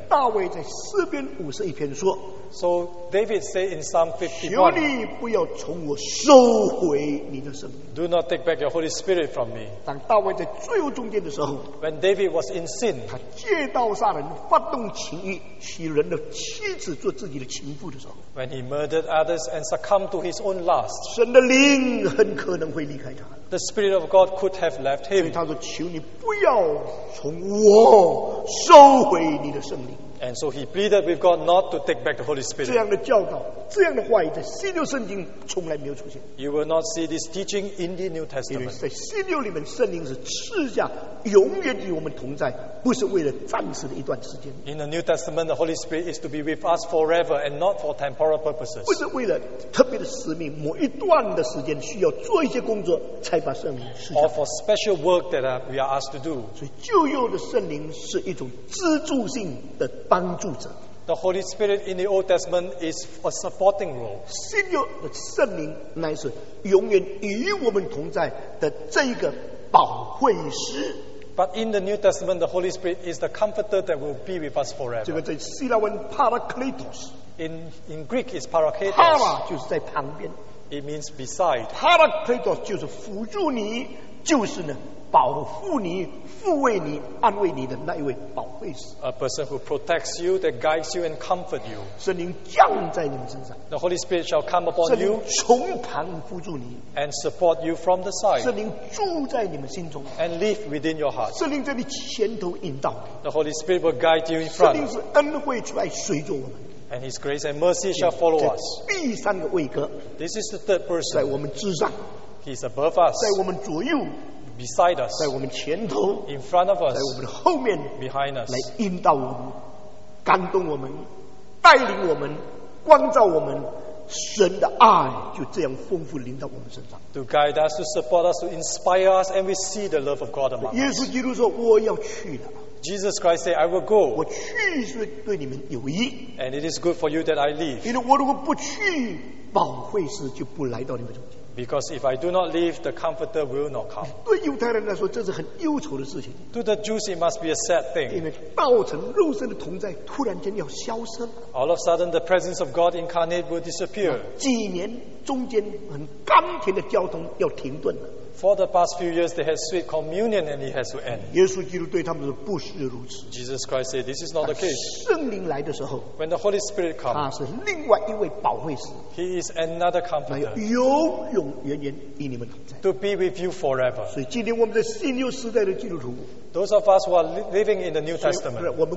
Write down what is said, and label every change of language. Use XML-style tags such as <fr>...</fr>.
<zh>大卫在诗篇五十一篇说，</zh> <en>So David said in Psalm 51,</en> <zh>求你不要从我收回你的。</zh> <en>Do not take back your Holy Spirit from me.</en> <zh>当大卫在罪恶中间的时候，</zh> <en>When David was in sin,</en> <zh>他借刀杀人，发动情欲，娶人的妻子做自己的情妇的时候，</zh> <en>When he murdered others and succumbed to his own lust,</en> <zh>神的灵很可能会离开他。</zh> <en>The Spirit of God could have left him.</en> <zh>所以他说，求你不要从我收回你的圣灵。</zh> <en>And so he pleaded with God not to take back the Holy Spirit.</en> <zh>这样的教导，这样的话语在新约圣经从来没有出现。</zh> <en>You will not see this teaching in the New Testament.</en> <zh>因为在新约里面，圣灵是赐下永远与我们同在，不是为了暂时的一段时间。</zh> <en>In the New Testament, the Holy Spirit is to be with us forever and not for temporal purposes.</en> <zh>不是为了特别的使命，某一段的时间需要做一些工作才把圣灵赐下。</zh> <en>Or for special work that we are asked to do.</en> <zh>所以旧约的圣灵是一种资助性的帮助者。</zh> <en>The Holy Spirit in the Old Testament is a supporting role.</en> <zh>新约的圣灵乃是永远与我们同在的这个保惠师。</zh> <en>But in the New Testament, the Holy Spirit is the comforter that will be with us forever.</en> <zh>这个在希腊文 parakletos.</zh> <en>In Greek, it's parakletos.</en> <zh>Para 就是在旁边。</zh> <en>It means beside.</en> <zh>Parakletos 就是辅助你，就是呢。保护你，抚慰你，安慰你的那一位保惠师。</zh> <en>A person who protects you, that guides you and comforts you.</en> <zh>圣灵降在你们身上。</zh> <en>The Holy Spirit shall come upon you.</en> <zh>圣灵从旁扶助你。</zh> <en>And support you from the side.</en> <zh>圣灵住在你们心中。</zh> <en>And live within your heart.</en> <zh>圣灵在你前头引导你。</zh> <en>The Holy Spirit will guide you in front.</en> <zh>圣灵是恩惠出来随着我们。</zh> <en>And His grace and mercy shall follow us.</en> <zh>第三个位格。</zh> <en>This is the third person.</en> <zh>在我们之上。</zh> <en>He's above us.</en> <zh>在我们左右。</zh> <en>Beside us,</en> <zh>在我们前头,</zh> <en>in front of us,</en> <zh>在我们后面,</zh> <en>behind us,</en> <zh>来引导我们, 感动我们, 带领我们, 光照我们, 神的爱就这样丰富领导我们身上,</zh> <en>to guide us, to support us, to inspire us, and we see the love of God among us.</en> <zh>耶稣基督说, 我要去了,</zh> <en>Jesus Christ said, I will go.</en> <zh>我去是对你们有益,</zh> <en>and it is good for you that I leave.</en> <zh>因为我如果不去, 保惠师就不来到你们中间。</zh> <en>Because if I do not leave, the Comforter will not come.</en> <zh>对犹太人来说，这是很忧愁的事情。</zh> <en>To the Jews, it must be a sad thing.</en> <zh>因为道成肉身的同在突然间要消失。</zh> <en>All of a sudden, the presence of God incarnate will disappear.</en> <zh>几年中间很甘甜的交通要停顿了。</zh> <en>For the past few years, they had sweet communion and it has to end.</en> <zh>耶稣基督对他们说不是如此。</zh> <en>Jesus Christ said, this is not the case.</en> <zh>圣灵来的时候,</zh> <en>when the Holy Spirit comes,</en> <zh>他是另外一位保惠师。</zh> <en>He is another comforter.</en> <zh>永远与你们同在,</zh> <en>to be with you forever.</en> <zh>所以今天我们在新约时代的基督徒,</zh> <en>those of us who are living in the New Testament,</en>